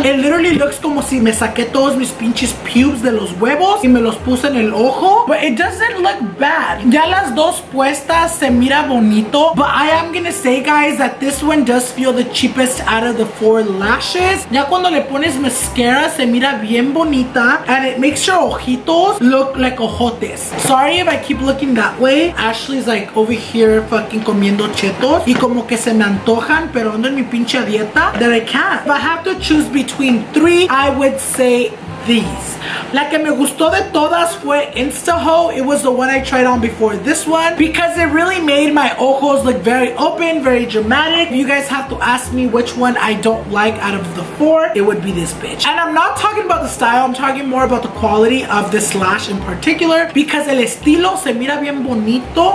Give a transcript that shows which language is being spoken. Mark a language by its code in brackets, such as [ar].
[en] It literally looks [es] como si me saqué todos mis pinches pubes de los huevos y me los puse en el ojo. [en] But it doesn't look bad. [es] Ya las dos puestas se mira bonito. [en] But I am gonna say, guys, that this one does feel the cheapest out of the four lashes. [es] Ya cuando le pones mascara, se mira bien bonito. [en] And it makes your ojitos look like ojotes. Sorry if I keep looking that way. Ashley's like over here fucking [es] comiendo chetos. Y como que se me antojan, pero ando en mi pinche dieta. [en] That I can't. If I have to choose between three, I would say these. [es] La que me gustó de todas fue Instaho. [en] It was the one I tried on before this one, because it really made my ojos look very open, very dramatic. If you guys have to ask me which one I don't like out of the four, it would be this bitch. And I'm not talking about the style, I'm talking more about the quality of this lash in particular, because [es] el estilo se mira bien bonito.